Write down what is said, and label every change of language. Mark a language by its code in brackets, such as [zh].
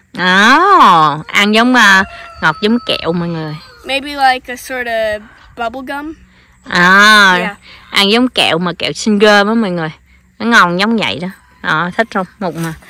[vi] Oh, ăn giống ngọt giống kẹo mọi người. [en] Maybe like a sort of bubble gum. [vi] Ăn giống kẹo mà kẹo Singer á mọi người. Nó ngon giống vậy đó. Thích không? Mục mà.